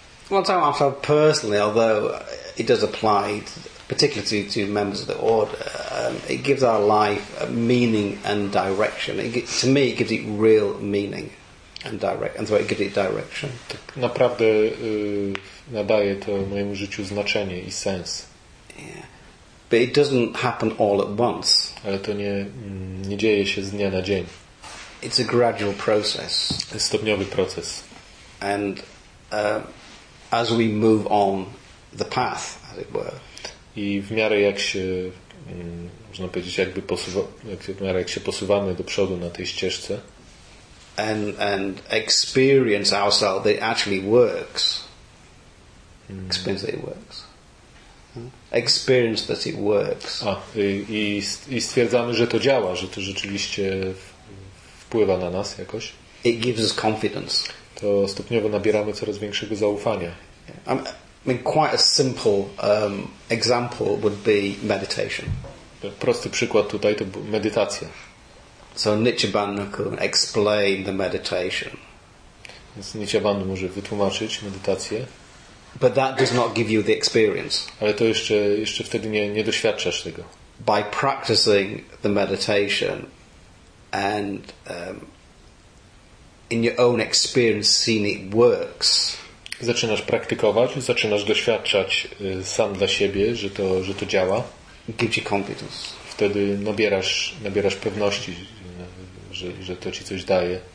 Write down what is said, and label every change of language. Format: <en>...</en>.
<en>Well, time I felt personally, although it does apply particularly to members of the order, it gives our life meaning and direction. To me, it gives it real meaning and direction. And so it gives it direction.</en> <pl>Tak naprawdę nadaje to mojemu życiu znaczenie i sens. Yeah.</pl> <en>But it doesn't happen all at once.</en> <pl>Ale to nie dzieje się z dnia na dzień.</pl> <en>It's a gradual process.</en> <pl>Stopniowy proces.</pl> <en>And as we move on the path, as it were,</en> <pl>i w miarę jak się można powiedzieć jakby w miarę jak się posuwamy do przodu na tej ścieżce</pl> <en>and experience ourselves that it actually works. Experience that it works. Experience that it works.</en> <pl>I stwierdzamy, że to działa, że to rzeczywiście wpływa na nas jakoś.</pl> <en>It gives us confidence.</en> <pl>To stopniowo nabieramy coraz większego zaufania.</pl> <en>Quite a simple example would be meditation.</en> <pl>Prosty przykład tutaj to medytacja.</pl> <en>So Nichiban can explain the meditation.</en> <pl>Więc Nichiban może wytłumaczyć medytację.</pl> <en>But that does not give you the experience.</en> <pl>Ale to jeszcze wtedy nie doświadczasz tego.</pl> <en>By practicing the meditation and in your own experience seeing it works.</en> <pl>Zaczynasz praktykować, zaczynasz doświadczać sam dla siebie, że to działa.</pl> <en>Gives you confidence.</en> <pl>Wtedy nabierasz pewności, że to ci coś daje.</pl>